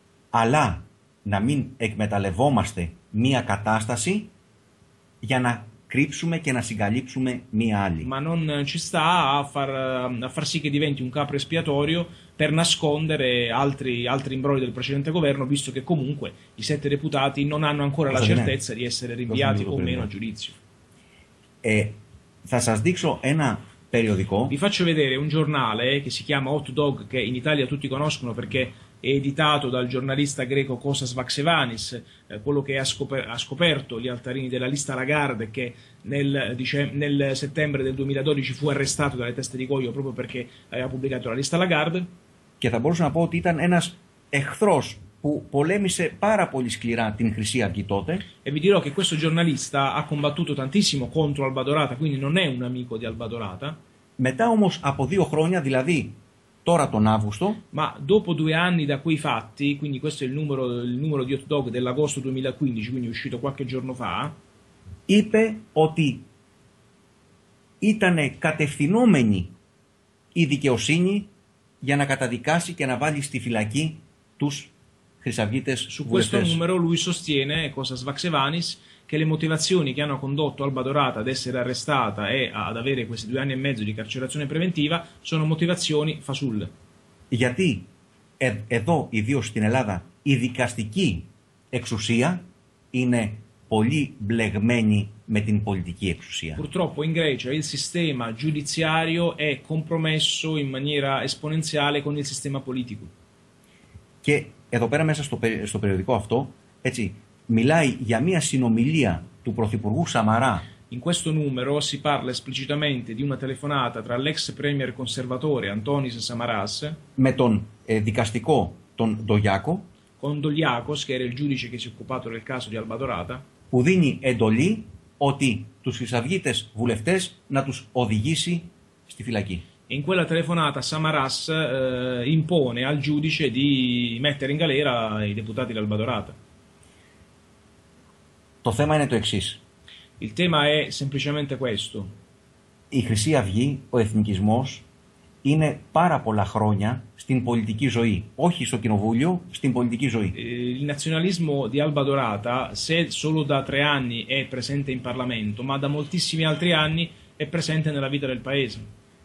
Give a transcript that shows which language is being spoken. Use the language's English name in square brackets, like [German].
[Greek] Αλλά να μην εκμεταλλευόμαστε μία κατάσταση για να κρύψουμε και να συγκαλύψουμε μία άλλη. [Italian] Ma non ci sta a far sì che diventi un capro espiatorio per nascondere altri imbrogli del precedente governo, visto che comunque i 7 deputati non hanno ancora la certezza di essere rinviati o meno a giudizio. [Greek] Θα σας δείξω ένα περιοδικό. [Italian] Vi faccio vedere un giornale che si chiama Hot Dog, che in Italia tutti conoscono perché è editato dal giornalista greco Kostas Vaxevanis, quello che ha scoperto gli altarini della lista Lagarde, che nel settembre del 2012 fu arrestato dalle teste di cuoio proprio perché aveva pubblicato la lista Lagarde. [Greek] Και θα μπορούσα να πω ότι ήταν ένας εχθρός που πολέμησε πάρα πολύ σκληρά την Χρυσή Αυγή τότε. [Italian] E vi dirò che questo giornalista ha combattuto tantissimo contro Alba Dorata, quindi non è un amico di Alba Dorata. [Greek] Μετά όμως από 2 χρόνια, δηλαδή τώρα τον Αύγουστο. [Italian] Ma dopo 2 anni da quei fatti, quindi questo è il numero di Hot Dog dell'agosto 2015, quindi uscito qualche giorno fa. [Greek] Είπε ότι ήταν κατευθυνόμενη η δικαιοσύνη για να καταδικάσει και να βάλει στη φυλακή τους χρυσαυγίτες βουλευτές. [Italian] Su questo numero lui sostiene, Kostas Vaxevanis, che le motivazioni che hanno condotto Alba Dorata ad essere arrestata e ad avere questi 2 anni e mezzo di carcerazione preventiva sono motivazioni fasulle. [Greek] Γιατί εδώ, ιδίως στην Ελλάδα, η δικαστική εξουσία είναι πολύ μπλεγμένη με την πολιτική εξουσία. [Italian] Purtroppo in Grecia il sistema giudiziario è compromesso in maniera esponenziale con il sistema politico. [Greek] Και εδώ πέρα μέσα στο περιοδικό αυτό, έτσι, μιλάει για μια συνομιλία του Πρωθυπουργού Σαμαρά. [Italian] In questo numero si parla esplicitamente di una telefonata tra l'ex premier conservatore Antonis Samaras [Greek] με τον δικαστικό τον Ντογιάκο, [Italian] con Dogliakos, che era il giudice che si è occupato del caso di Alba Dorata, [Greek] που δίνει εντολή ότι τους χρυσαυγίτες βουλευτές να τους οδηγήσει στη φυλακή. [Italian] In quella telefonata Samaras impone al giudice di mettere in galera i deputati dell'Albadorata. [Greek] Το θέμα είναι το εξής. [Italian] Il tema è semplicemente questo. [Greek] Η Χρυσή Αυγή, ο εθνικισμός, είναι πάρα πολλά χρόνια στην πολιτική ζωή. Όχι στο κοινοβούλιο, στην πολιτική ζωή. [Italian] Il nazionalismo di Alba Dorata, se solo da tre anni è presente in Parlamento, ma da moltissimi altri anni è presente nella vita del paese.